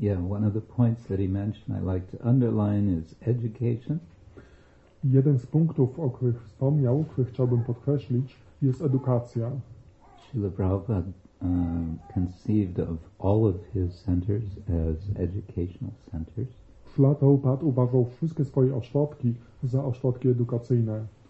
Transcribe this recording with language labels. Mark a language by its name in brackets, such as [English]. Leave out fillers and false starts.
[English] One of the points that he mentioned I like to underline is education. [Polish] Jeden z punktów, o których wspomniał, który chciałbym podkreślić, jest edukacja. [English] Srila Prabhupada conceived of all of his centers as educational centers. [Polish] Srila Prabhupada uważał wszystkie swoje ośrodki za ośrodki edukacyjne.